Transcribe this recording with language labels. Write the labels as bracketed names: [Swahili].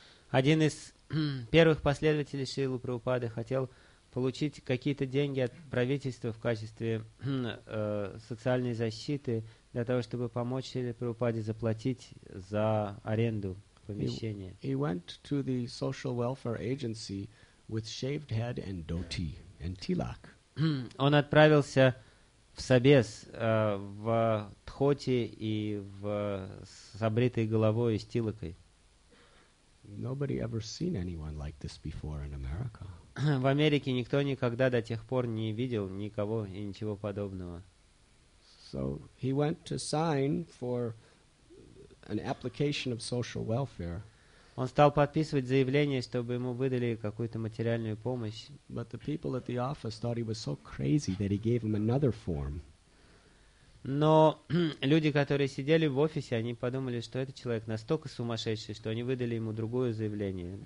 [Russian] Один из первых последователей Шрилы Прабхупады хотел получить какие-то деньги от правительства в качестве социальной защиты для того, чтобы помочь Шриле Прабхупаде заплатить за аренду. [English] He went to the social welfare agency with shaved head and dhoti and tilak. [Russian] Он отправился в собес в дхоти и в с обритой головой и с тилакой. [English] Nobody ever seen anyone like this before in America. [Russian] В Америке никто никогда до тех пор не видел никого и ничего подобного. [English] So he went to sign for an application of social welfare. [Russian] Он стал подписывать заявление, чтобы ему выдали какую-то материальную помощь. [English] But the people at the office thought he was so crazy that he gave him another form. [Russian] Но люди, которые сидели в офисе, они подумали, что этот человек настолько сумасшедший, что они выдали ему другое заявление,